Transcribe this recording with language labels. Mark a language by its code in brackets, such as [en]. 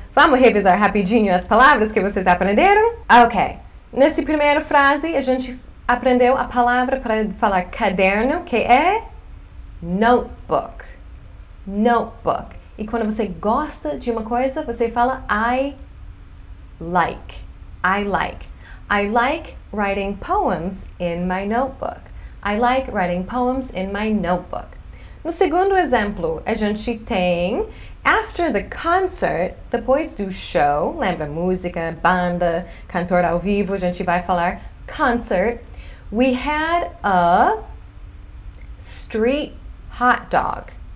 [pt] Vamos revisar rapidinho as palavras que vocês aprenderam? Ok. Nesse primeiro frase, a gente aprendeu a palavra para falar caderno, que é notebook. Notebook. E quando você gosta de uma coisa, você fala [en] I like. I like. I like writing poems in my notebook. I like writing poems in my notebook. [pt] No segundo exemplo, a gente tem [en] after the concert, [pt] depois do show, lembra? Música, banda, cantor ao vivo, a gente vai falar concert. [en] We had a street hot dog.